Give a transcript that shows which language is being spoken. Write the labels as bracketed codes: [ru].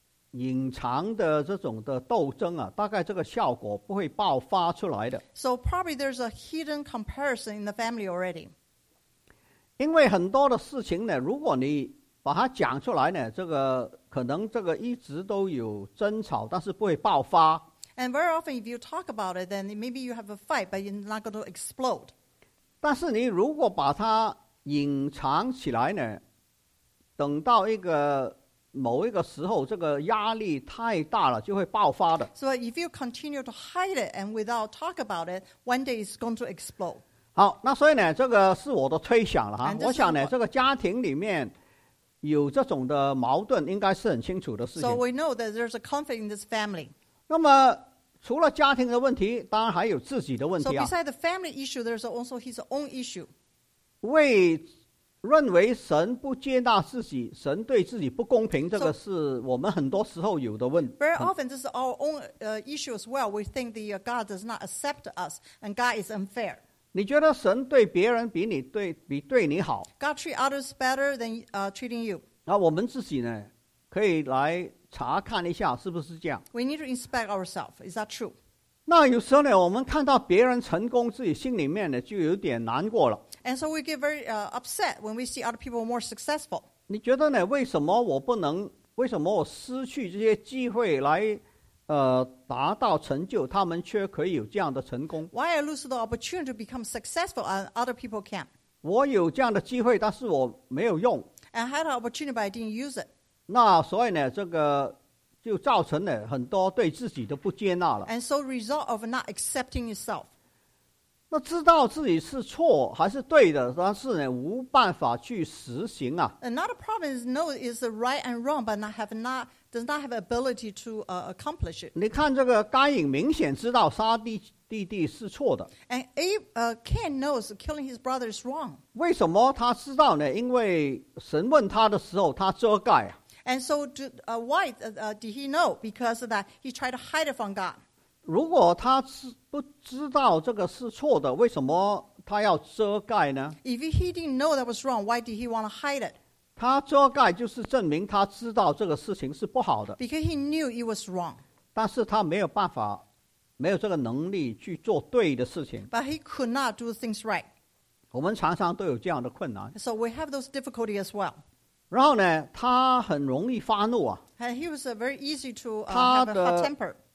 [zh] 如果不是家里面有这个一直隐藏的这种的斗争啊, 大概这个效果不会爆发出来的。 [en] So probably there's a hidden comparison in the family already. [zh] 因为很多的事情呢, 如果你把它讲出来呢, 这个可能这个一直都有争吵, 但是不会爆发。 [en] And very often, if you talk about it, then maybe you have a fight, but you're not going to explode. [zh] 但是你如果把它隐藏起来呢, 等到某一个时候, 这个压力太大了, 就会爆发的。 [en] So if you continue to hide it and without talk about it, one day it's going to explode. [zh] 好, 那所以呢, 这个是我的推想了, 我想呢, 这个家庭里面, 有这种的矛盾, 应该是很清楚的事情。 [en] So we know that there's a conflict in this family. [zh] 那么, 除了家庭的问题, 当然还有自己的问题啊。 [en] So beside the family issue, there's also his own issue. [zh] 为认为神不接纳自己, 神对自己不公平, 这个是我们很多时候有的问题。 [en] Very often, this is our own issue as well. We think the God does not accept us, and God is unfair. [zh] 你觉得神对别人比你对你好。 [en] God treats others better than treating you. [zh] 那我们自己呢, 可以来 查看一下是不是这样。 [en] We need to inspect ourselves. Is that true? [zh] 那有时候呢, 我们看到别人成功, 自己心里面呢, 就有点难过了。 [en] And so we get very upset when we see other people more successful. [zh] 你觉得呢, 为什么我不能, 为什么我失去这些机会来, 达到成就, 他们却可以有这样的成功。 [en] Why I lose the opportunity to become successful and other people can't? [zh] 我有这样的机会, 但是我没有用。 [en] And I had an opportunity, but I didn't use it. [zh] 那所以呢, 这个就造成呢, 很多对自己的不接纳了。 [en] And so result of not accepting yourself. [zh] 那知道自己是错还是对的, 但是呢, 无办法去实行啊。 [en] Another problem is know is right and wrong, but does not have ability to accomplish it. [zh] 你看这个该隐明显知道杀弟弟是错的。 [en] And Cain knows killing his brother is wrong. [zh] 为什么他知道呢? 因为神问他的时候他遮盖啊。 [en] And so why did he know? Because of that he tried to hide it from God. [zh] 如果他不知道这个是错的, 为什么他要遮盖呢? [en] If he didn't know that was wrong, why did he want to hide it? [zh] 他遮盖就是证明他知道这个事情是不好的。 [en] Because he knew it was wrong. [zh] 但是他没有办法, 没有这个能力去做对的事情。 [en] But he could not do things right. [zh] 我们常常都有这样的困难。 [en] So we have those difficulties as well. [zh] 然后呢, 他很容易发怒啊。 [en] And he was very easy to have a hot temper.